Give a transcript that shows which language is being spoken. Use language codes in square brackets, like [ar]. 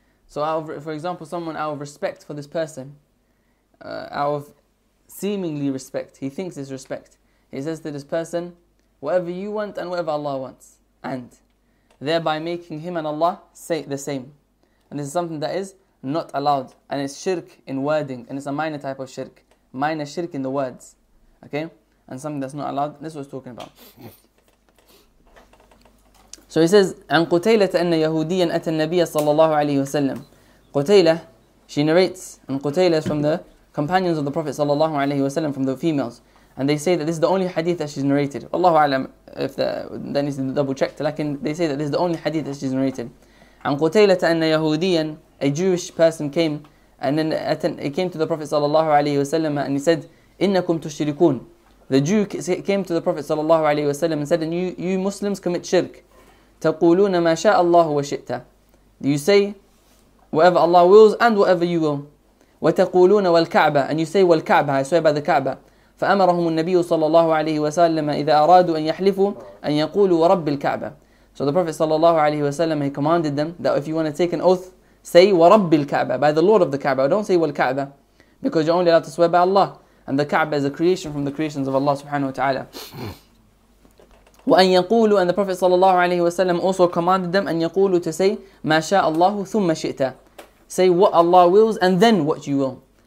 [en] So for example, someone out of respect for this person, out of seemingly respect, he thinks it's respect, he says to this person, whatever you want and whatever Allah wants, and thereby making him and Allah say the same. And this is something that is not allowed. And it's shirk in wording. And it's a minor type of shirk. Minor shirk in the words. Okay? And something that's not allowed. This is what he's talking about. So he says, [ar] عن قتيلة أن يهوديا أتى النبي صلى الله عليه وسلم. [en] قتيلة, she narrates, and قتيلة is from the companions of the Prophet [ar] صلى الله عليه وسلم, [en] from the females. And they say that this is the only hadith that she's narrated. Wallahu a'lam, if that needs to be double checked. Lakin they say that this is the only hadith that she's narrated. [ar] عن قتيلة أن يهوديا, [en] a Jewish person came, and then he came to the Prophet sallallahu alayhi wasallam, and he said, [ar] إنكم تشركون. [en] The Jew came to the Prophet sallallahu alayhi wasallam and said, and you Muslims commit shirk. [ar] تقولون ما شاء الله وشئت. [en] You say whatever Allah wills and whatever you will. [ar] وتقولون والكعبة. [en] And you say والكعبة, I swear by the Kaaba. [ar] فأمرهم النبي صلى الله عليه وسلم إذا أرادوا أن يحلفوا أن يقولوا ورب الكعبة. [en] So the Prophet [ar] صلى الله عليه وسلم, [en] he commanded them that if you want to take an oath, say [ar] ورب الكعبة, [en] by the Lord of the Kaaba. Don't say والكعبة, because you're only allowed to swear by Allah, and the Kaaba is a creation from the creations of Allah سبحانه وتعالى. [ar] وأن يقولوا, [en] and the Prophet صلى الله عليه وسلم also commanded them أن يقولوا, to say [ar] ما شاء الله ثم شئت, [en] say what Allah wills and then what you will.